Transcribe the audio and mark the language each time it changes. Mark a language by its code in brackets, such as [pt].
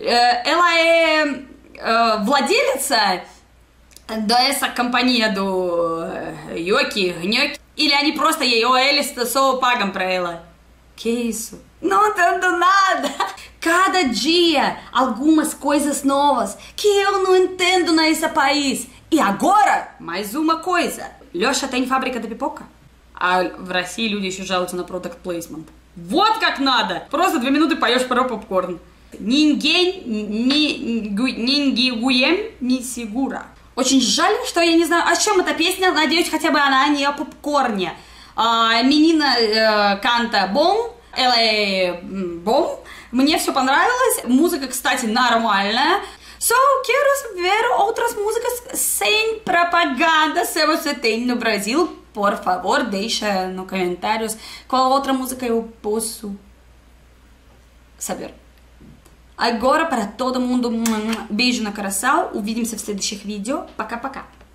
[pt] Ela é [ru] владелица [pt] dessa companhia do Yoki, Gnoki, e eles [ru] просто ей, [pt] ou eles só pagam pra ela. Que isso? Não entendo nada. Cada dia, algumas coisas novas que eu não entendo nesse país. E agora, mais uma coisa. Леша tem fábrica de pipoca? [ru] В России люди еще жалуются на product placement. Вот как надо. Просто 2 минуты поешь про попкорн. [pt] Ninguém me ninguém me segura. [ru] Очень жаль, что я не знаю, о чем эта песня. Надеюсь, хотя бы она не о попкорне. [pt] Menina canta bom. Ela é bom. [ru] Мне все понравилось. Музыка, кстати, нормальная. [pt] So, quero ver outras músicas sem propaganda. Se você tem no Brasil, por favor, deixa no comentários qual outra música eu posso Saber. Agora para todo mundo, beijo no coração, [ru] увидимся в следующих видео. Пока-пока.